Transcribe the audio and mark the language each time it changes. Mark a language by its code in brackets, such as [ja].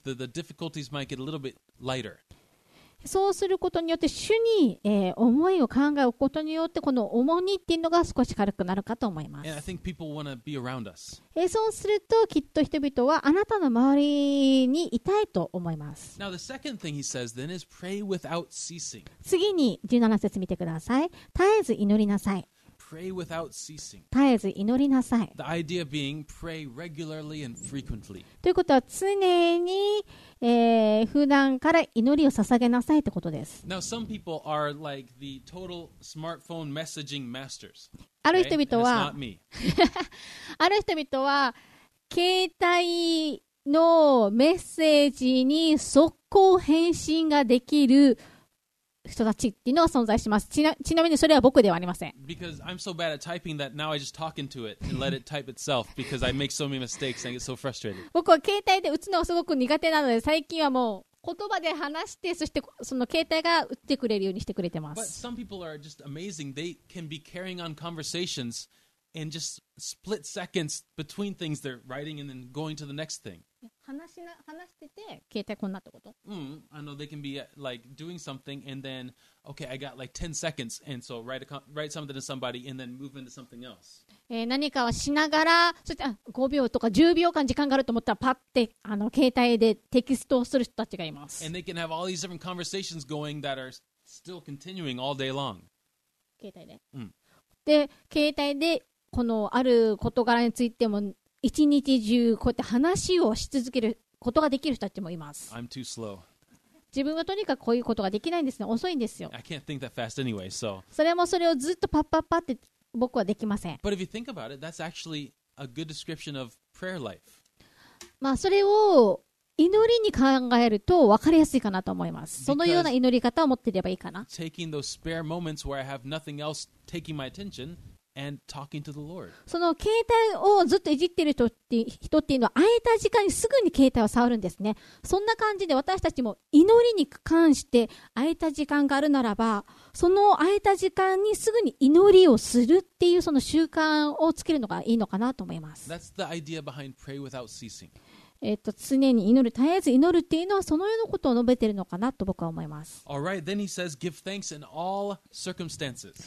[en] The difficulties might get a little bit lighter. [ja] そうすることによって主に、思いを考え置くことによってこの重荷っていうのが少し軽くなるかと思います。 [en] And I think people wanna be around us. [ja] そうするときっと人々はあなたの周りにいたいと思います。 [en] Now the second thing he says then is pray without ceasing. [ja] 次に17節見てください。絶えず祈りなさい。 [en] Pray without ceasing. [ja] 絶えず祈りなさい。 [en] The idea being pray regularly and frequently. [ja] ということは常に、普段から祈りを捧げなさいってことです。 [en] Now some people are like the total smartphone messaging masters. [ja] ある人々は、ある人々は携帯のメッセージに速攻返信ができる人たちっていうのは存在します。ちなみにそれは僕ではありません。 [en] Because I'm so bad at typing that now I just talk into it and let it type itself because I make so many mistakes and get so frustrated. [ja] 僕は携帯で打つのがすごく苦手なので、最近はもう言葉で話して、そしてその携帯が打ってくれるようにしてくれてます。 [en] But some people are just amazing. They can be carrying on conversations and just split seconds between things they're writing and then going to the next thing. [ja] 話してて携帯こんなってこと？ [en] うん、I know they can be like doing something and then okay, I got like 10 seconds and so write something to somebody and then move into something else. [ja] 何かをしながら、そして5秒とか10秒間時間があると思ったらパッて携帯でテキストをする人たちがいます。 [en] And they can have all these different conversations going that are still continuing all day long. [ja] 携帯で。うん。で、携帯でこのある事柄についても。一日中こうやって話をし続けることができる人たちもいます。 [en] I'm too slow. [ja] 自分はとにかくこういうことができないんですね。遅いんですよ。 [en] I can't think that fast anyway, so. [ja] それもそれをずっとパッパッパッって僕はできません。 [en] But if you think about it, that's actually a good description of prayer life. [ja] まあそれを祈りに考えると分かりやすいかなと思います。 [en] Because、 [ja] そのような祈り方を持っていればいいかな。 [en] Taking those spare moments where I have nothing else taking my attention. And talking to the Lord. [ja] その携帯をずっといじっている人っていうのは空いた時間にすぐに携帯を触るんですね。そんな感じで私たちも祈りに関して空いた時間があるならば、その空いた時間にすぐに祈りをするっていうその習慣をつけるのがいいのかなと思います。 [en] That's the idea behind pray without ceasing. [ja] 常に祈る、絶えず祈るっていうのはそのようなことを述べているのかなと僕は思います。 [en] All right. Then he says, give thanks in all circumstances.